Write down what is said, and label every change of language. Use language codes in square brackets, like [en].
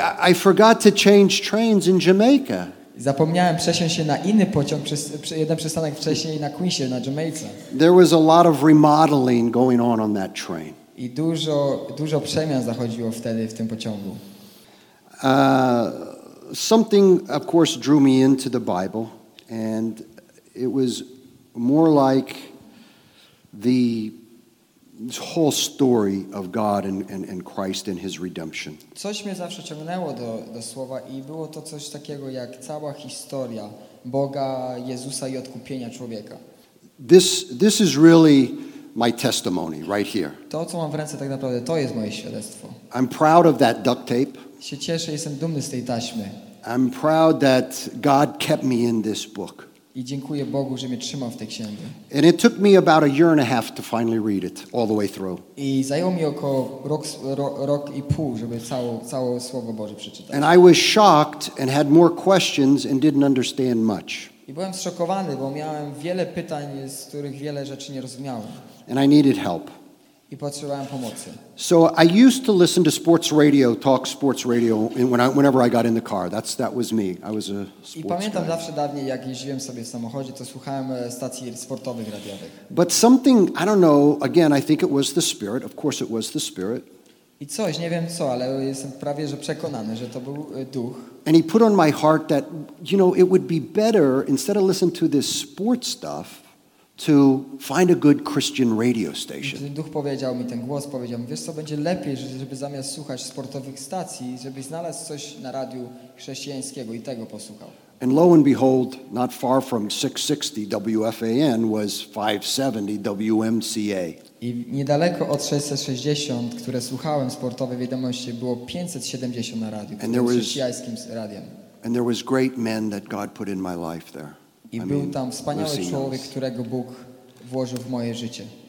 [en] I forgot to change trains in Jamaica. [pl] Zapomniałem przesiąść się na inny pociąg jeden przystanek wcześniej na Queensie, na Jamaica. [en] There was a lot of remodeling going on that train. [pl] I dużo przemian zachodziło wtedy w tym pociągu. [en] Something of course drew me into the Bible and it was more like the this whole story of God and Christ and his redemption. [pl] Coś mnie zawsze ciągnęło do słowa i było to coś takiego jak cała historia Boga, Jezusa i odkupienia człowieka. [en] This is really my testimony right here. [pl] To, co mam w ręce, tak naprawdę to jest moje świadectwo. [en] I'm proud of that duct tape. [pl] Się cieszę, jestem dumny z tej taśmy. [en] I'm proud that God kept me in this book. [pl] I dziękuję Bogu, że mnie trzymał w tej księdze. [en] And it took me about a year and a half to finally read it all the way through. [pl] I zajęło mi około rok i pół, żeby całe Słowo Boże przeczytać. [en] And I was shocked and had more questions and didn't understand much. [pl] I byłem zszokowany, bo miałem wiele pytań, z których wiele rzeczy nie rozumiałem. [en] And I needed help. [pl] I potrzebowałem pomocy. [en] So I used to listen to sports radio, talk sports radio whenever I got in the car. That was me. I was a sports guy. [pl] I pamiętam zawsze dawniej, jak jeździłem sobie w samochodzie, to słuchałem stacji sportowych radiowych. [en] But something, I don't know, again, I think it was the Spirit. Of course it was the Spirit. [pl] I coś, nie wiem co, ale jestem prawie że przekonany, że to był duch. [en] And he put on my heart that, you know, it would be better, instead of listening to this sports stuff, to find a good Christian radio station. [pl] Duch powiedział mi, ten głos powiedział mi, wiesz co, będzie lepiej, żeby zamiast słuchać sportowych stacji, żebyś znalazł coś na radiu chrześcijańskiego i tego posłuchał. [en] And lo and behold, not far from 660 WFAN was 570 WMCA. [pl] I niedaleko od 660, które słuchałem sportowe wiadomości, było 570 na radiu, chrześcijańskim radiem. [en] And there was great men that God put in my life there. [pl] I był tam wspaniały człowiek, którego Bóg włożył w moje życie.